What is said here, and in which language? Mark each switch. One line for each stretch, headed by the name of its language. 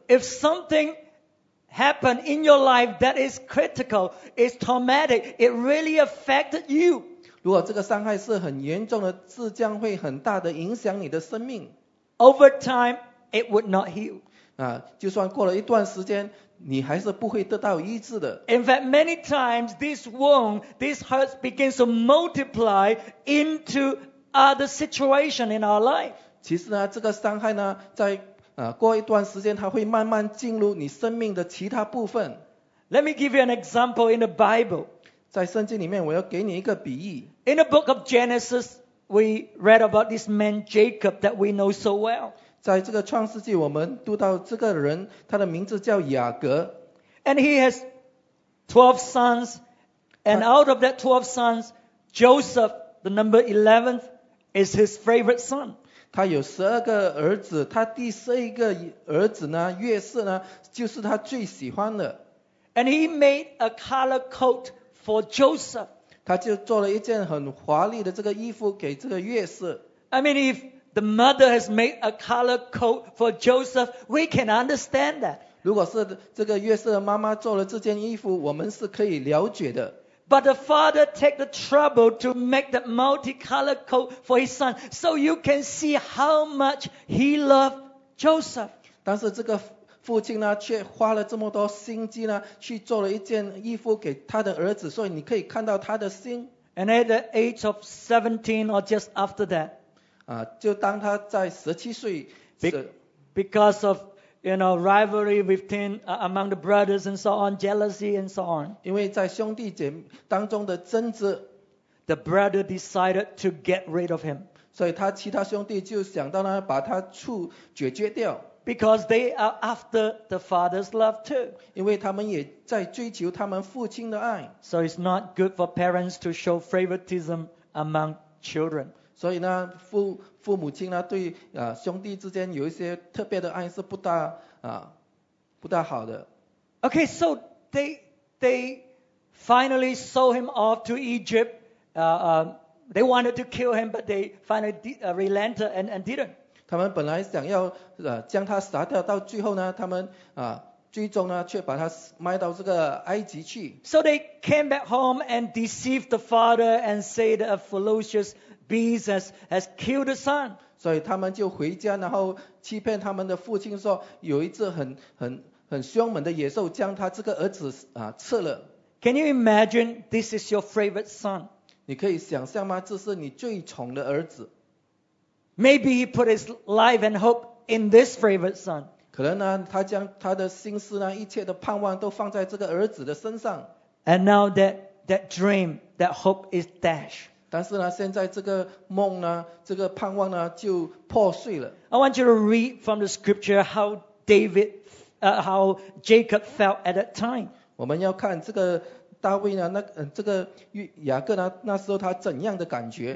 English: If something happened in your life that is critical, it's traumatic, it really affected you.
Chinese: 如果这个伤害是很严重的，这将会很大的影响你的生命。
English: Over time, it would not heal.
Chinese: 就算过了一段时间，你还是不会得到医治的。
English: In fact, many times this wound, this hurt begins to multiply into other situations in our life.
Chinese: 其实呢，这个伤害呢，在过一段时间，它会慢慢进入你生命的其他部分。
English: Let me give you an example in the Bible.
Chinese: 在圣经里面，我要给你一个比喻。
English: In the book of Genesis, we read about this man Jacob that we know so well.
Chinese: 在这个创世纪，我们读到这个人，他的名字叫雅各。
English: And he has 12 sons, and out of that 12 sons, Joseph, the number 11th, is his favorite son.
Chinese: 他有12个儿子，他第11个儿子呢，约瑟呢，就是他最喜欢的。
English: And he made a color coat for Joseph.
Chinese: 他就做了一件很华丽的这个衣服给这个约瑟。
English: I mean, if... The mother has made a color coat for Joseph. We can understand that.
Chinese: 如果是这个约瑟的妈妈做了这件衣服，我们是可以了解的。
English: But the father take the trouble to make the multicolored coat for his son, so you can see how much he loved Joseph.
Chinese: 但是这个父亲呢，却花了这么多心机呢，去做了一件衣服给他的儿子，所以你可以看到他的心。
English: And at the age of 17 or just after that.
Chinese: 就当他在17岁
English: Because of, you know, rivalry within, among the brothers and so on, jealousy and so on.
Chinese: 因为在兄弟姐当中的争执
English: The brother decided to get rid of him.
Chinese: 所以他其他兄弟就想到呢把他处解决掉
English: Because they are after the father's love too.
Chinese: 因为他们也在追求他们父亲的爱
English: So it's not good for parents to show favoritism among children.
Chinese: 所以呢 父母亲呢对兄弟之间有一些特别的爱是不大好的。
English: Okay, so they finally sold him off to Egypt. They wanted to kill him, but they finally relented and didn't.
Chinese: 他们本来想要将他杀掉到最后呢他们最终呢却把他卖到这个埃及去。
English: So they came back home and deceived the father and said a ferocious,Beast has killed the son.
Chinese: 所以他们就回家，然后欺骗他们的父亲说，有一只很凶猛的野兽将他这个儿子吃了。
English: Can you imagine this is your favorite son?
Chinese: 你可以想象吗？这是你最宠的儿子。
English: Maybe he put his life and hope in this favorite son.
Chinese: 可能呢，他将他的心思呢，一切的盼望都放在这个儿子的身上。
English: And now that dream, that hope is dashed.
Chinese: 但是呢，现在这个梦呢，这个盼望呢，就破碎了。
English: I want you to read from the scripture how David, how Jacob felt at that time.
Chinese: 我们要看这个大卫呢，那这个雅各呢，那时候他怎样的感觉